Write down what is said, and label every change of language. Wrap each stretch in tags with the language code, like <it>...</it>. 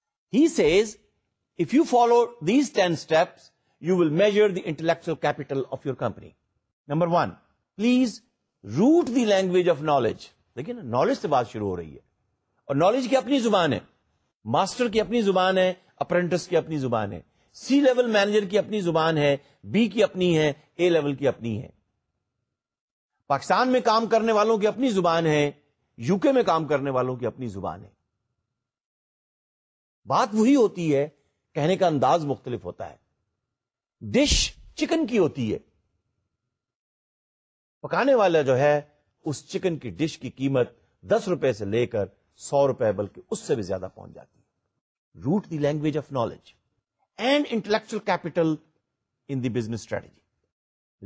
<en>He says, if you follow these 10 steps, you will measure the intellectual capital of your company. Number one, please root the language of knowledge.</en> <ur>دیکھیے نا, knowledge سے بات شروع ہو رہی ہے اور knowledge کی اپنی زبان ہے, ماسٹر کی اپنی زبان ہے, اپرینٹس کی اپنی زبان ہے, سی لیول مینیجر کی اپنی زبان ہے, بی کی اپنی ہے, اے لیول کی اپنی ہے, پاکستان میں کام کرنے والوں کی اپنی زبان ہے, یو کے میں کام کرنے والوں کی اپنی زبان ہے. بات وہی ہوتی ہے, کہنے کا انداز مختلف ہوتا ہے. ڈش چکن کی ہوتی ہے, پکانے والا جو ہے اس چکن کی ڈش کی قیمت 10 روپے سے لے کر 100 روپے بلکہ اس سے بھی زیادہ پہنچ جاتی ہے.</ur> <en>Root the language of knowledge and intellectual capital in the business strategy.</en>